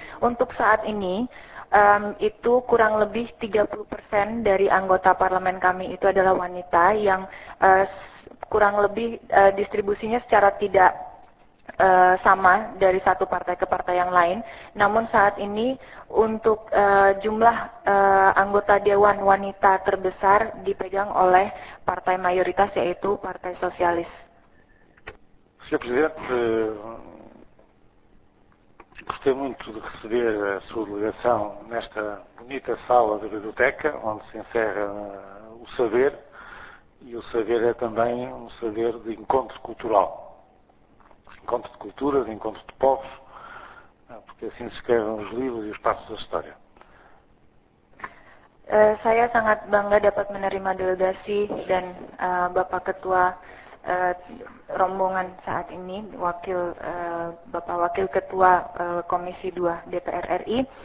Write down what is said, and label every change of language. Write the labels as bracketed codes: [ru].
[id] Untuk saat ini itu kurang lebih 30% dari anggota parlemen kami itu adalah wanita yang kurang lebih distribusinya secara tidak sama dari satu partai ke partai yang lain. Namun saat ini untuk jumlah anggota dewan wanita terbesar dipegang oleh partai mayoritas yaitu Partai Sosialis. [pt] Senhor Presidente, gostei muito de receber a sua delegação nesta bonita sala da biblioteca, onde se encerra o saber, e o saber é também um saber de encontro cultural. Encontro de culturas, encontro de povos, porque assim se escrevem os livros e os passos da história. [id] Saya sangat bangga dapat menerima delegasi dan Bapak Ketua rombongan saat ini, wakil Bapak Wakil Ketua Komisi 2 DPR RI